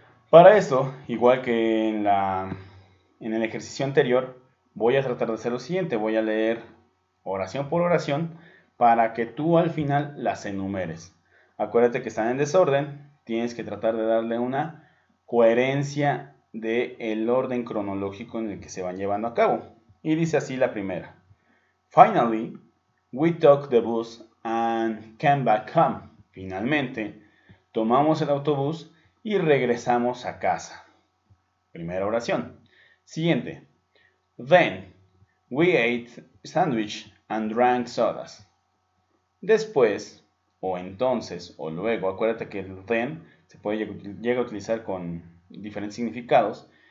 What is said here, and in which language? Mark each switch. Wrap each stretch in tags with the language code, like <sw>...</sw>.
<es>Para esto, igual que en el ejercicio anterior, voy a tratar de hacer lo siguiente, voy a leer oración por oración, para que tú al final las enumeres. Acuérdate que están en desorden, tienes que tratar de darle una coherencia del orden cronológico en el que se van llevando a cabo. Y dice así la primera.</es> <en>Finally, we took the bus and came back home.</en> <es>Finalmente, tomamos el autobús y regresamos a casa. Primera oración. Siguiente.</es> <en>Then, we ate sandwich and drank sodas.</en> <es>Después, o entonces, o luego, acuérdate que el then se puede llega a utilizar con diferentes significados.</es>